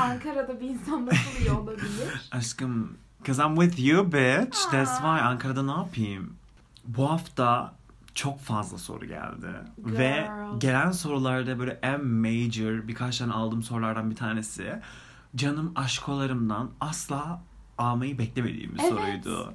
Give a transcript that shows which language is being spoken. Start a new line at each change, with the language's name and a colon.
Turkish: Ankara'da bir insan nasıl iyi olabilir?
English: Aşkım, because I'm with you bitch.
Turkish: Aa.
English: That's why.
Turkish: Ankara'da ne yapayım? Bu hafta çok fazla soru geldi.
English: Girl.
Turkish: Ve gelen sorularda böyle en major birkaç tane aldığım sorulardan bir tanesi. Canım aşkolarımdan asla almayı beklemediğim bir soruydu.